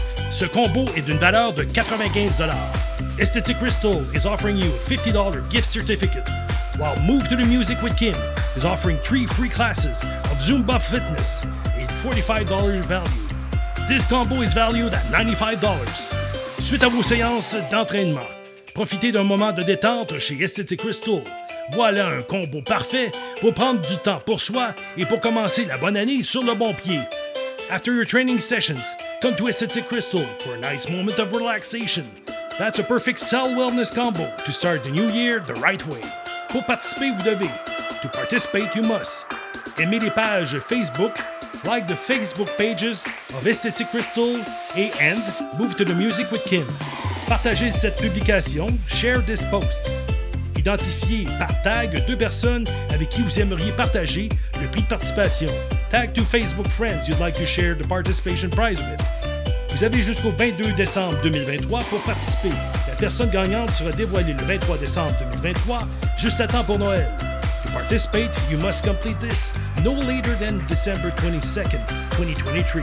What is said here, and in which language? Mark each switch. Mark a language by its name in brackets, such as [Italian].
[French] Ce combo est d'une valeur de 95$. [English] Esthétique Krystal is offering you a $50 gift certificate, while Move to the Music with Kim is offering 3 free classes of Zumba Fitness at $45 value. This combo is valued at $95. [French] Suite à vos séances d'entraînement, profitez d'un moment de détente chez Esthétique Krystal. Voilà un combo parfait pour prendre du temps pour soi et pour commencer la bonne année sur le bon pied. [English] After your training sessions, come to Esthétique Krystal for a nice moment of relaxation. That's a perfect cell wellness combo to start the new year the right way. [French] Pour participer, vous devez. [English] To participate, you must. [French] Aimez les pages Facebook, [English] like the Facebook pages of Esthétique Krystal and Move to the Music with Kim. [French] Partagez cette publication, [English] share this post. [French] Identifiez par tag deux personnes avec qui vous aimeriez partager le prix de participation. [English] Tag two Facebook friends you'd like to share the participation prize with. [French] Vous avez jusqu'au 22 décembre 2023 pour participer. La personne gagnante sera dévoilée le 23 décembre 2023, juste à temps pour Noël. [English] To participate, you must complete this no later than December 22nd, 2023.